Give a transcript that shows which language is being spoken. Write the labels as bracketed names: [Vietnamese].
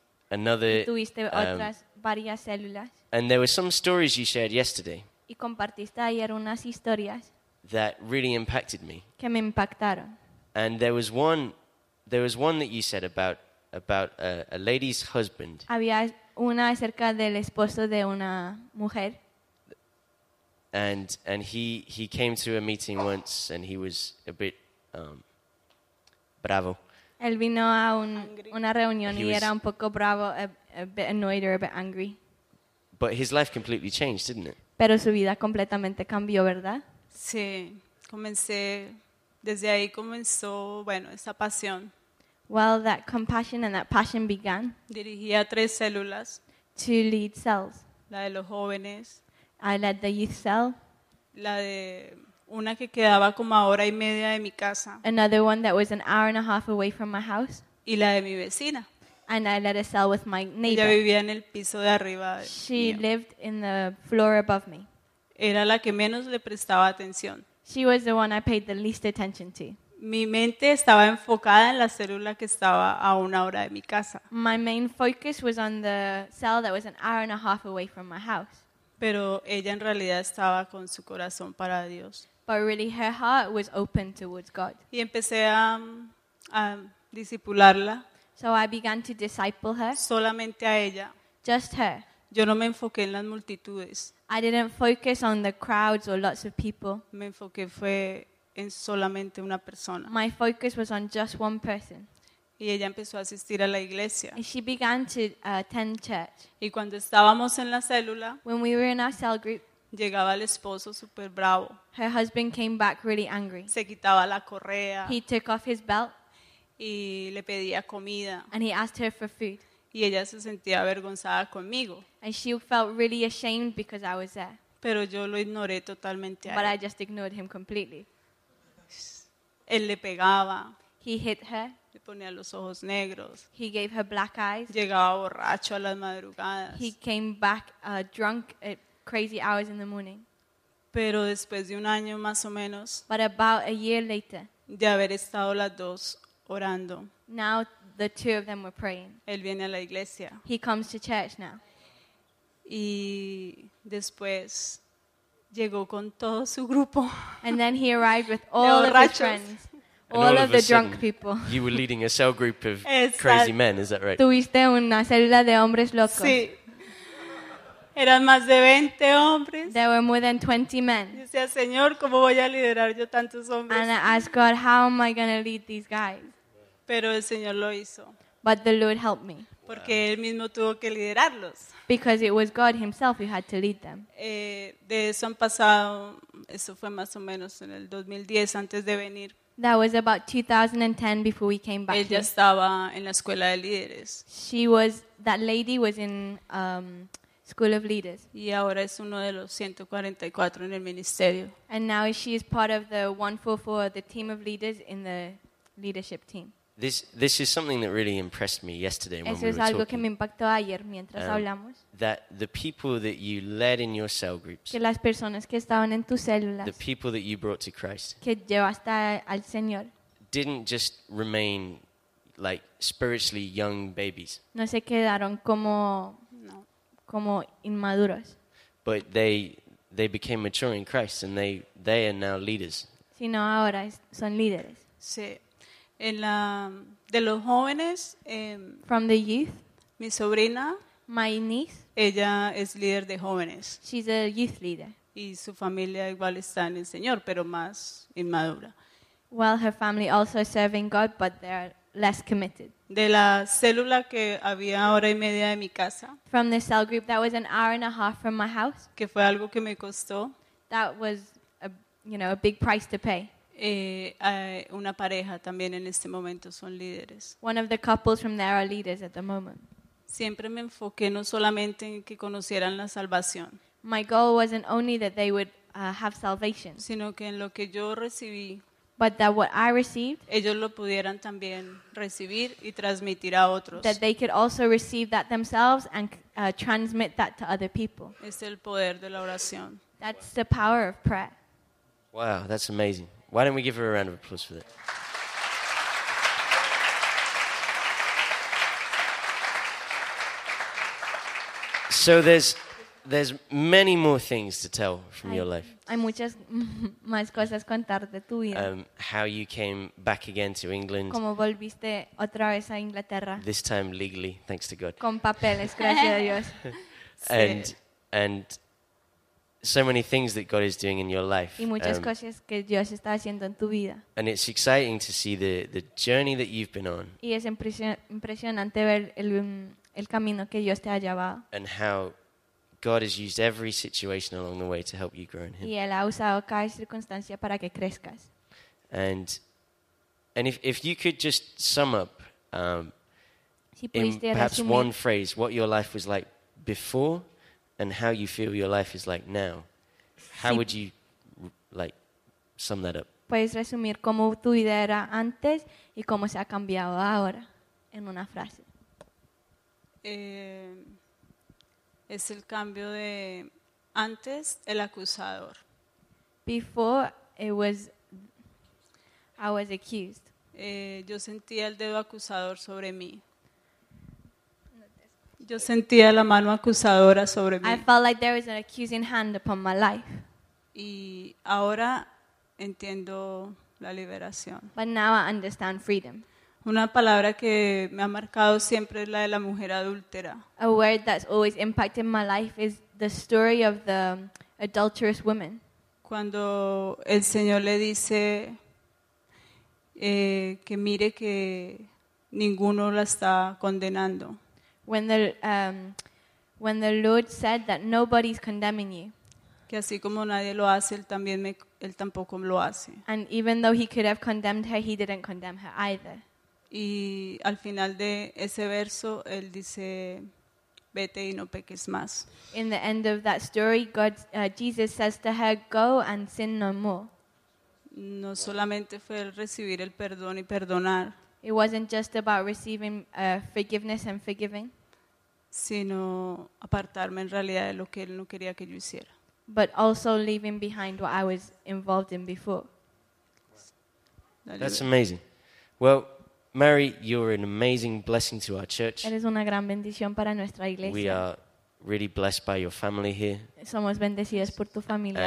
[Spanish] varias células. [English] And there were some stories you shared yesterday [Spanish] y compartiste ayer unas historias [English] that really impacted me. [Spanish] Que me impactaron. [English] And there was one that you said about a lady's husband. [Spanish] Había una acerca del esposo de una mujer. [English] And he came to a meeting once, and he was a bit bravo. [Spanish] Él vino a una reunión y era un poco bravo, [English] a bit annoyed or a bit angry. But his life completely changed, didn't it? [Spanish] Pero su vida completamente cambió, ¿verdad? Sí, comencé, desde ahí comenzó, bueno, esa pasión. [English] Well, that compassion and that passion began. [Spanish] Dirigía tres células. [English] To lead cells. [Spanish] La de los jóvenes. [English] I led the youth cell. [Spanish] La de una que quedaba como a hora y media de mi casa. [English] Another one that was an hour and a half away from my house. [Spanish] Y la de mi vecina. [English] And I led a cell with my neighbor. [Spanish] Ella vivía en el piso de arriba. [English] She lived in the floor above me. [Spanish] Era la que menos le prestaba atención. [English] She was the one I paid the least attention to. [Spanish] Mi mente estaba enfocada en la célula que estaba a una hora de mi casa. [English] My main focus was on the cell that was an hour and a half away from my house. [Spanish] Pero ella en realidad estaba con su corazón para Dios. [English] But really her heart was open towards God. [Spanish] Y empecé a discipularla. [English] So I began to disciple her. [Spanish] Solamente a ella. [English] Just her. [Spanish] Yo no me enfoqué en las multitudes. [English] I didn't focus on the crowds or lots of people. [Spanish] Me enfoqué fue en solamente una persona. [English] My focus was on just one person. [Spanish] Y ella empezó a asistir a la iglesia. [English] And she began to attend church. [Spanish] Y cuando estábamos en la célula, [English] when we were in our cell group, [Spanish] llegaba el esposo super bravo. [English] Her husband came back really angry. [Spanish] Se quitaba la correa. [English] He took off his belt. [Spanish] Y le pedía comida. [English] And he asked her for food. [Spanish] Y ella se sentía avergonzada conmigo. [English] And she felt really ashamed because I was there. [Spanish] Pero yo lo ignoré totalmente a él. [English] But I just ignored him completely. [Spanish] Él le pegaba. [English] He hit her. [Spanish] Le ponía los ojos negros. [English] He gave her black eyes. [Spanish] Llegaba borracho a las madrugadas. [English] He came back drunk at crazy hours in the morning. [Spanish] Pero después de un año más o menos, [English] but about a year later, [Spanish] de haber estado las dos orando, [English] now the two of them were praying. [Spanish] Él viene a la iglesia. [English] He comes to church now. [Spanish] Y después llegó con todo su grupo. [English] And then he arrived with all of his friends. All of the drunk people. You were leading a cell group of crazy men, is that right? [Spanish] Tuviste una célula de hombres locos. Sí. Eran más de 20 hombres. [English] There were more than 20 men. [Spanish] Yo decía, Señor, ¿cómo voy a liderar yo tantos hombres? [English] And I asked God, how am I going to lead these guys? [Spanish] Pero el Señor lo hizo. [English] But the Lord helped me. Wow. [Spanish] Porque él mismo tuvo que liderarlos. [English] Because it was God himself who had to lead them. [Spanish] De eso han pasado, eso fue más o menos en el 2010 antes de venir. [English] That was about 2010 before we came back. [Spanish] Ella estaba en la escuela de líderes. [English] She was, that lady was in School of Leaders. [Spanish] Y ahora es uno de los 144 en el ministerio. [English] And now she is part of the 144, the team of leaders in the leadership team. This is something that really impressed me yesterday when [Spanish] eso [English] we were [Spanish] talking. Eso es algo que me impactó ayer mientras hablamos. [English] That the people that you led in your cell groups. [Spanish] Que las personas que estaban en tus células. [English] The people that you brought to Christ. [Spanish] Que llevaste al Señor. [English] Didn't just remain like spiritually young babies. [Spanish] No se quedaron como como inmaduros. [English] But they became mature in Christ and they are now leaders. [Spanish] Sino ahora son líderes. Sí. En la de los jóvenes, [English] from the youth, [Spanish] mi sobrina, [English] my niece, [Spanish] ella es líder de jóvenes. [English] She's a youth leader. [Spanish] Y su familia igual está en el Señor, pero más inmadura. [English] Well, her family also serving God, but they're less committed. [Spanish] De la célula que había hora y media de mi casa. [English] From the cell group that was an hour and a half from my house. [Spanish] Que fue algo que me costó. [English] That was a, you know, a big price to pay. [Spanish] Una pareja también en este momento son líderes. [English] One of the couples from there are leaders at the moment. [Spanish] Siempre me enfoqué no solamente en que conocieran la salvación. [English] My goal wasn't only that they would have salvation. [Spanish] Sino que en lo que yo recibí. [English] But that what I received, [Spanish] ellos lo pudieran también recibir y transmitir a otros. [English] That they could also receive that themselves and transmit that to other people. [Spanish] Es el poder de la oración. [English] That's the power of prayer. Wow, that's amazing. Why don't we give her a round of applause for that? So there's many more things to tell from your life. [Spanish] Hay muchas más cosas contar de tu vida. [English] How you came back again to England. [Spanish] Cómo volviste otra vez a Inglaterra. [English] This time legally, thanks to God. [Spanish] Con papeles, gracias a Dios. [English] And so many things that God is doing in your life. [Spanish] Y muchas cosas que Dios está haciendo en tu vida. [English] And it's exciting to see the journey that you've been on. [Spanish] Y es impresionante ver el camino que Dios te ha llevado. [English] And how God has used every situation along the way to help you grow in Him. [Spanish] Y él ha usado cada circunstancia para que crezcas. [English] And if you could just sum up, [Spanish] si pudiste [English] in perhaps [Spanish] resumir, [English] one phrase, what your life was like before, and how you feel your life is like now, how would you like sum that up? [Spanish] Puedes resumir cómo tu vida era antes y cómo se ha cambiado ahora en una frase. Es el cambio de antes el acusador. [English] Before it was I was accused. [Spanish] Yo sentía el dedo acusador sobre mí. Yo sentía la mano acusadora sobre mí. [English] I felt like there was an accusing hand upon my life. [Spanish] Y ahora entiendo la liberación. [English] But now I understand freedom. [Spanish] Una palabra que me ha marcado siempre es la de la mujer adúltera. [English] A word that's always impacted my life is the story of the adulterous woman. [Spanish] Cuando el Señor le dice que mire que ninguno la está condenando. [English] When the Lord said that nobody's condemning you. [Spanish] Que así como nadie lo hace, él tampoco lo hace. [English] And even though he could have condemned her, he didn't condemn her either. [Spanish] Y al final de ese verso, él dice, vete y no peques más. [English] In the end of that story, God, Jesus says to her, go and sin no more. [Spanish] No solamente fue el recibir el perdón y perdonar. [English] It wasn't just about receiving forgiveness and forgiving. [Spanish] Sino apartarme en realidad de lo que él no quería que yo hiciera. [English] But also leaving behind what I was involved in before. That's amazing. Well, Mary, you're an amazing blessing to our church. [Spanish] Eres una gran bendición para nuestra iglesia. [English] We are really blessed by your family here. [Spanish] Somos bendecidos por tu familia